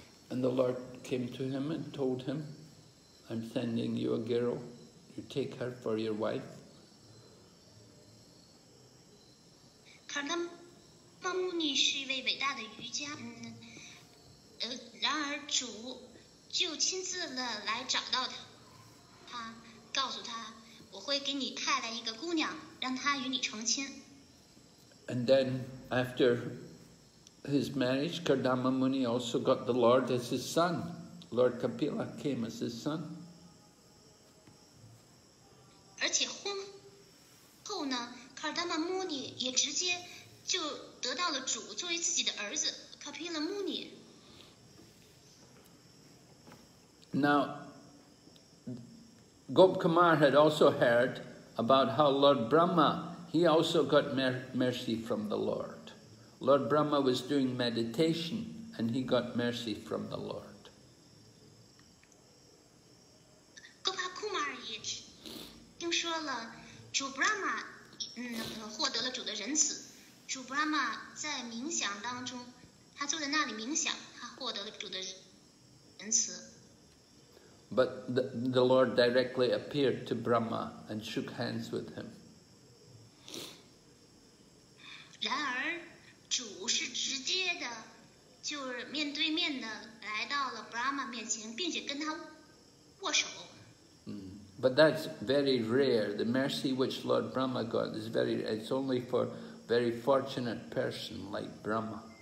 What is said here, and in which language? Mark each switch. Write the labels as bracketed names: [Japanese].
[English] And the Lord came to him and told him, I'm sending you a girl. You take her for your wife. Kardama Muni is a great yogi. But the Lord just came to find him. [Chinese] 告诉他，我会给你派来一个姑娘，让她与你成亲。 [English] And then after his marriage, Kardama Muni also got the Lord as his son. Lord Kapila came as his son. [Chinese] 而且婚后呢 ，Kardama Muni 也直接就得到了主作为自己的儿子 ，Kapila Muni. [English] Now. Gop Kumar had also heard about how Lord Brahma, he also got mercy from the Lord. Lord Brahma was doing meditation and he got mercy from the Lord. [Chinese] Gop Kumar 也听说了主 Brahma 获得了主的仁慈。主 Brahma 在冥想当中，他坐在那里冥想，他获得了主的仁慈。 [English] But the Lord directly appeared to Brahma and shook hands with him. [Chinese] 然而，主是直接的，就是面对面的来到了 Brahma 面前，并且跟他握手。 [English] But that's very rare. The mercy which Lord Brahma got is very, it's only for very fortunate person like Brahma.